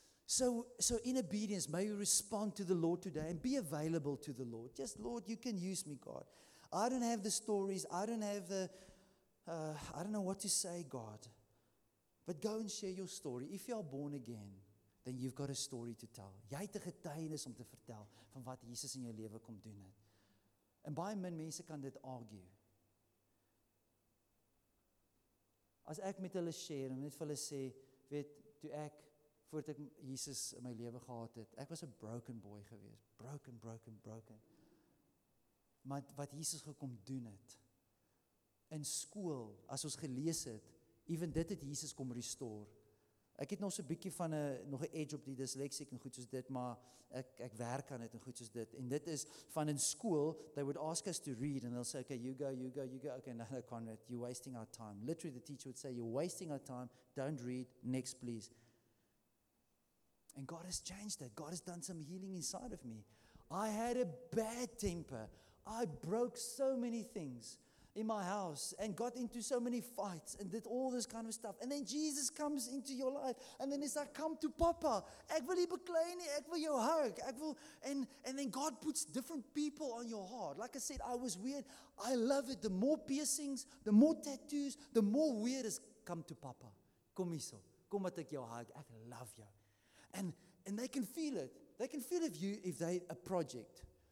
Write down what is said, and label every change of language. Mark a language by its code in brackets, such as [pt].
[en] So in obedience, may you respond to the Lord today and be available to the Lord. Just, Lord, you can use me, God. I don't have the stories. I don't have the, I don't know what to say, God. But go and share your story. If you are born again, then you've got a story to tell. [af] Jy het 'n getuienis om te vertel van wat Jesus in jou lewe kom doen het. En baie min mense kan dit argue. As ek met hulle share, en net vir hulle sê, weet, toe ek, voordat ek Jesus in my lewe gehad het, ek was 'n broken boy gewees. Broken, broken, broken. Maar wat Jesus gekom doen het, in skool, as ons gelees het, even dit het Jesus kom restore. Ek het nog so 'n bietjie van nog 'n edge op die dyslexiek en goed soos dit, maar ek werk aan dit en goed soos dit. En dit is van in [en] school, they would ask us to read, and they'll say, okay, you go, you go, you go. Okay, no, Conrad, you're wasting our time. Literally, the teacher would say, you're wasting our time, don't read, next please. And God has changed that. God has done some healing inside of me. I had a bad temper. I broke so many things in my house and got into so many fights and did all this kind of stuff. And then Jesus comes into your life and then it's like, come to Papa. [af] Ek wil jy beklei nie, ek wil jou hug. Ek wil, [en] and then God puts different people on your heart. Like I said, I was weird. I love it. The more piercings, the more tattoos, the more weird is, come to Papa. [af] Kom hierso. Kom wat ek jou hug. Ek love jou. [en] And they can feel it. They can feel if they a project.